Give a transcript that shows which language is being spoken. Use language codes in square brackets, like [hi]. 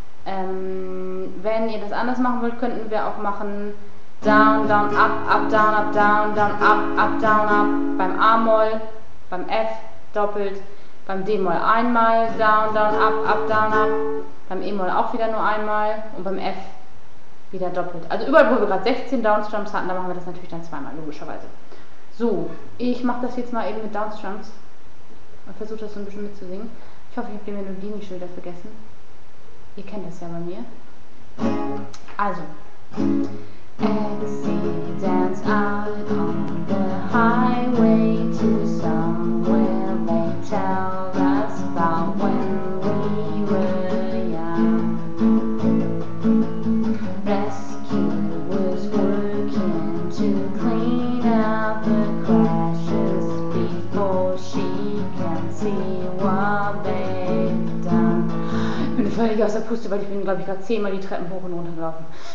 [de] Wenn ihr das anders machen wollt, könnten wir auch machen Down, Down, Up, Up, Down, Up, Down, Down, Up, Up, Down, Up, beim A-Moll, beim F doppelt, beim D-Moll einmal, Down, Down, Up, Up, Down, Up, beim E-Moll auch wieder nur einmal und beim F wieder doppelt. Also überall, wo wir gerade 16 Downstrums hatten, da machen wir das natürlich dann zweimal, logischerweise. So, ich mache das jetzt mal eben mit Downstrums und versuche das so ein bisschen mitzusingen. Ich hoffe, ich habe die Melodie nicht schon wieder vergessen. Ihr kennt das ja bei mir. Also. [en] Exe dance out on the highway to somewhere they tell us about when we were young. Rescuers working to clean up the crashes before she can see what they've done. [de] Ich bin völlig aus der Puste, weil ich bin, glaube ich, gerade 10-mal die Treppen hoch und runter gelaufen.